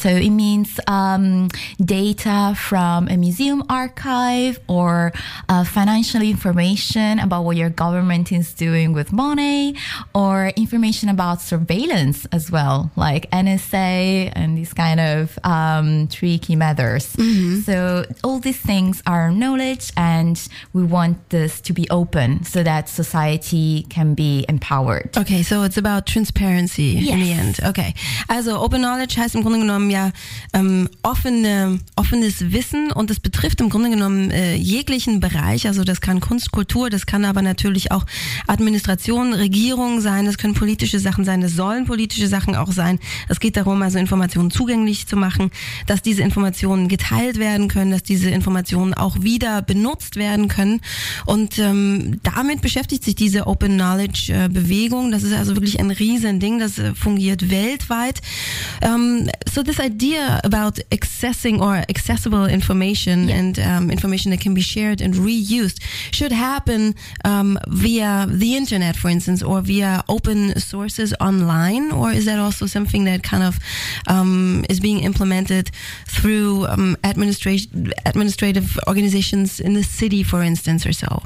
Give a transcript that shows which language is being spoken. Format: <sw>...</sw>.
<en>So it means data from a museum archive or financial information about what your government is doing with money or information about surveillance as well, like NSA and these kind of tricky matters. Mm-hmm. So all these things are knowledge and we want this to be open so that society can be empowered. Okay, so it's about transparency yes. in the end. Okay.</en> <de>Also Open Knowledge heißt im Grunde genommen ja offenes Wissen und das betrifft im Grunde genommen jeglichen Bereich. Also das kann Kunst, Kultur, das kann aber natürlich auch Administration, Regierung sein, das können politische Sachen sein, das sollen politische Sachen auch sein. Es geht darum, also Informationen zugänglich zu machen, dass diese Informationen geteilt werden können, dass diese Informationen auch wieder benutzt werden können. Und damit beschäftigt sich diese Open Knowledge Bewegung. Das ist also wirklich ein riesen Ding, das fungiert weltweit.</de> <en>So this idea about accessing or accessible information yeah. and information that can be shared and reused should happen via the internet, for instance, or via open sources online? Or is that also something that kind of is being implemented through administrative organizations in the city, for instance, or so?</en>